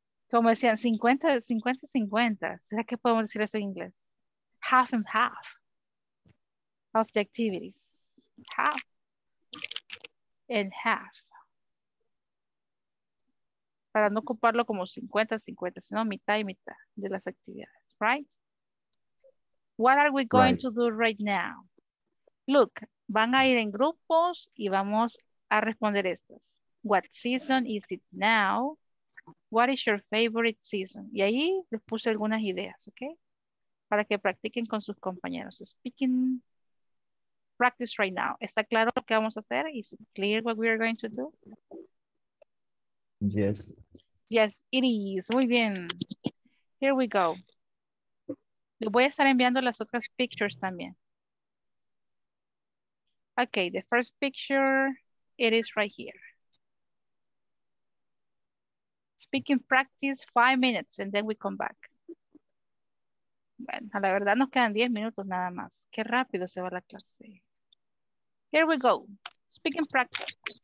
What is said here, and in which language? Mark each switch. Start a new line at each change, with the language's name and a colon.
Spanish: Como decían, 50-50. ¿Será que podemos decir eso en inglés?
English: Half and half of the activities. Half. En half.
Spanish: Para no ocuparlo como 50-50, sino mitad y mitad de las actividades, right?
English: What are we going to do right now?
Spanish: Look, van a ir en grupos y vamos a responder estas.
English: What season is it now? What is your favorite season?
Spanish: Y ahí les puse algunas ideas, ¿ok? Para que practiquen con sus compañeros.
English: Speaking. Practice right now.
Spanish: ¿Está claro lo que vamos a hacer?
English: Is it clear what we are going to do? Yes. Yes, it is.
Spanish: Muy bien.
English: Here we go.
Spanish: Le voy a estar enviando las otras pictures también.
English: Okay, the first picture, it is right here. Speaking practice, 5 minutes, and then we come back.
Spanish: Bueno, la verdad nos quedan 10 minutos nada más. Qué rápido se va la clase.
English: Here we go. Speaking practice.